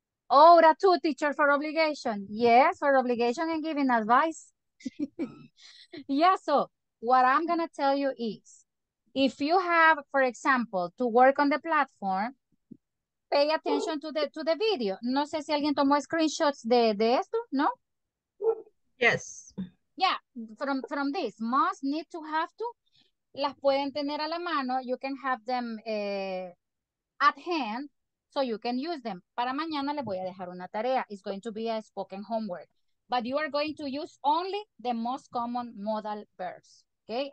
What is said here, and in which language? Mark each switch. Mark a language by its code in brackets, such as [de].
[en] Ora to teacher for obligation. Yes, for obligation and giving advice. Yeah, so what I'm going to tell you is, if you have, for example, to work on the platform, pay attention to the video. [es] No sé si alguien tomó screenshots de esto, ¿no? [en] Yes. Yeah, from this, must, need to, have to, [es] las pueden tener a la mano, [en] you can have them at hand, so you can use them. [es] Para mañana les voy a dejar una tarea, [en] it's going to be a spoken homework. But you are going to use only the most common modal verbs, okay?